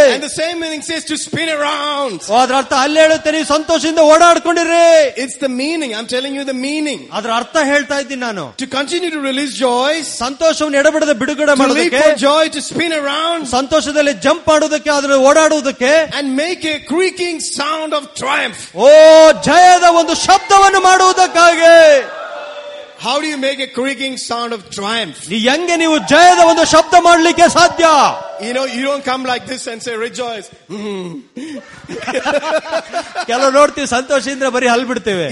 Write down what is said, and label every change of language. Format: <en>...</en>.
<en>And the same meaning says to spin around.</en> <kn>ಅದರ ಅರ್ಥ ಅಲ್ಲಿ ಹೇಳುತ್ತೆ, ನೀವು ಸಂತೋಷದಿಂದ ಓಡಾಡ್ಕೊಂಡಿರಿ.</kn> <en>It's the meaning. I'm telling you the meaning.</en> <kn>ಅದರ ಅರ್ಥ ಹೇಳ್ತಾ ಇದ್ದೀನಿ ನಾನು.</kn> <en>To continue to release joy.</en> <kn>ಸಂತೋಷವನ್ನು ಎಡಬಿಡದೆ ಬಿಡುಗಡೆ ಮಾಡೋದಕ್ಕೆ.</kn> <en>To leap for joy, to spin around.</en> <kn>ಸಂತೋಷದಲ್ಲಿ ಜಂಪ್ ಮಾಡೋದಕ್ಕೆ, ಅದರಲ್ಲಿ ಓಡಾಡುವುದಕ್ಕೆ.</kn> <en>And make a creaking sound of triumph.</en> <kn>ಓ ಜಯ ಒಂದು ಶಬ್ದವನ್ನು ಮಾಡುವುದಕ್ಕಾಗಿ.</kn> <en>How do you make a creaking sound of triumph?</en> <kn>ನಿಯಂಗೆ ನೀವು ಜಯದ ಒಂದು ಶಬ್ದ ಮಾಡಲಿಕ್ಕೆ ಸಾಧ್ಯ.</kn> <en>You know, you don't come like this and say rejoice.</en> <kn>ಕೆಲವು ನೋಡ್ತೀವಿ ಸಂತೋಷದಿಂದ ಬರೀ ಹಲ್ ಬಿಡ್ತೇವೆ.</kn>